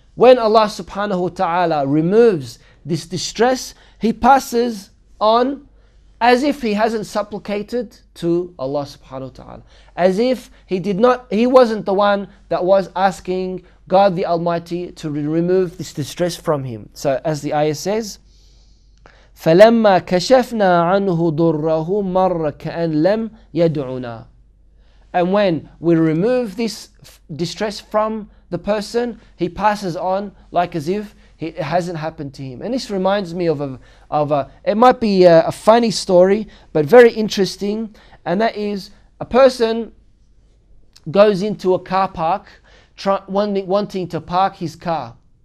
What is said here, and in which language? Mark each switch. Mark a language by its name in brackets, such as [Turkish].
[English] When Allah subhanahu wa ta'ala removes this distress, He passes on as if He hasn't supplicated to Allah subhanahu wa ta'ala. As if He wasn't the one that was asking God the Almighty to remove this distress from him. So as the ayah says, [Arabic] فَلَمَّا كَشَفْنَا عَنْهُ ضُرَّهُ مَرَّ كَأَنْ لَمْ يَدْعُنَا. [English] And when we remove this distress from the person, he passes on like as if it hasn't happened to him. And this reminds me of a funny story, but very interesting. And that is, a person goes into a car park wanting to park his car.